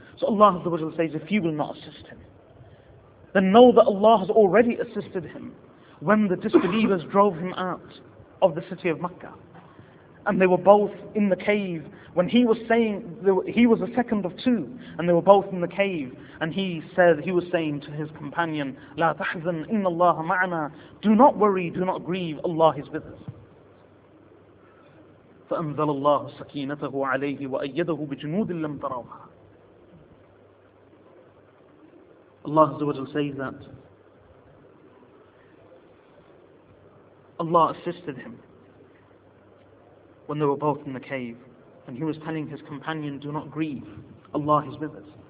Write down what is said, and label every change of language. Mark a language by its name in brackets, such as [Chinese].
[English] So Allah says, if you will not assist him, then know that Allah has already assisted him when the disbelievers drove him out of the city of Mecca. And they were both in the cave when he was saying, he was the second of two, and they were both in the cave. And he said, he was saying to his companion, [Arabic] لا تحزن إن الله معنا. [English] Do not worry, do not grieve, Allah is with us. [Arabic] فأنزل الله سكينته عليه وأيده بجنود لم تروها. [English] Allah says that Allah assisted him when they were both in the cave, and he was telling his companion, do not grieve, Allah is with us.